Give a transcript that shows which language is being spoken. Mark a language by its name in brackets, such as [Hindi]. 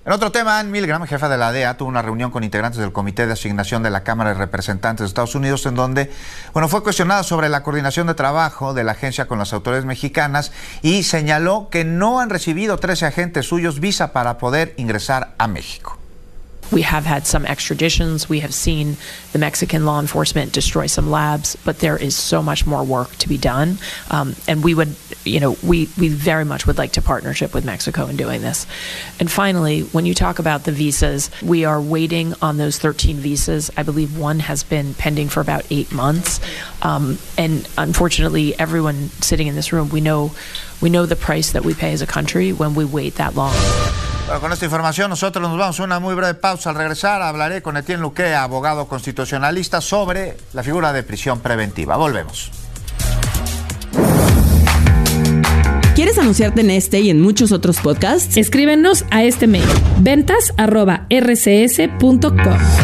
[Spanish] En otro tema, Ann Milgram, jefa de la DEA, tuvo una reunión con integrantes del Comité de Asignación de la Cámara de Representantes de Estados Unidos, en donde, bueno, fue cuestionada sobre la coordinación de trabajo de la agencia con las autoridades mexicanas y señaló que no han recibido 13 agentes suyos visa para poder ingresar a México. [English] We have had some extraditions. We have seen the Mexican law enforcement destroy some labs, but there is so much more work to be done. And we would, you know, we very much would like to partnership with Mexico in doing this. And finally, when you talk about the visas, we are waiting on those 13 visas. I believe one has been pending for about 8 months. And unfortunately, everyone sitting in this room, we know the price that we pay as a country when we wait that long. [Spanish] Bueno, con esta información nosotros nos vamos a una muy breve pausa. Al regresar hablaré con Etienne Luque, abogado constitucionalista, sobre la figura de prisión preventiva. Volvemos. ¿Quieres anunciarte en este y en muchos otros podcasts? Escríbenos a este mail: ventas@rcs.com.